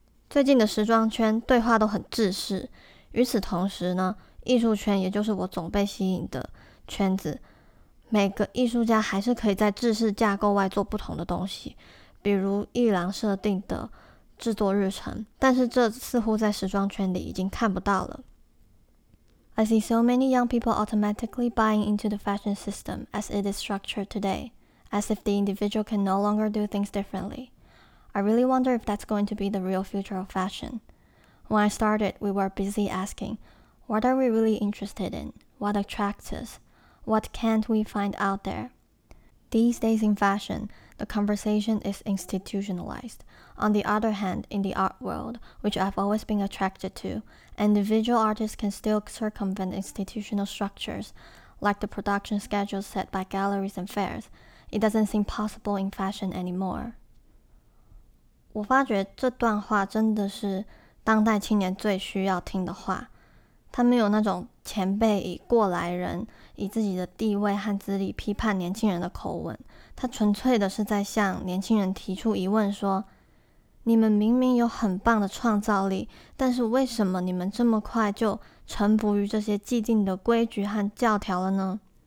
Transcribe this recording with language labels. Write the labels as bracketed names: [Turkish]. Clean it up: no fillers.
[Chinese] 最近的时装圈对话都很制式，与此同时呢，艺术圈也就是我总被吸引的圈子，每个艺术家还是可以在制式架构外做不同的东西，比如艺廊设定的制作日程，但是这似乎在时装圈里已经看不到了。 [English] I see so many young people automatically buying into the fashion system as it is structured today, as if the individual can no longer do things differently. I really wonder if that's going to be the real future of fashion. When I started, we were busy asking, what are we really interested in? What attracts us? What can't we find out there? These days in fashion, the conversation is institutionalized. On the other hand, in the art world, which I've always been attracted to, individual artists can still circumvent institutional structures, like the production schedules set by galleries and fairs. It doesn't seem possible in fashion anymore. [Chinese] 我发觉这段话真的是当代青年最需要听的话。他没有那种前辈以过来人，以自己的地位和资历批判年轻人的口吻。他纯粹的是在向年轻人提出疑问说，你们明明有很棒的创造力，但是为什么你们这么快就臣服于这些既定的规矩和教条了呢？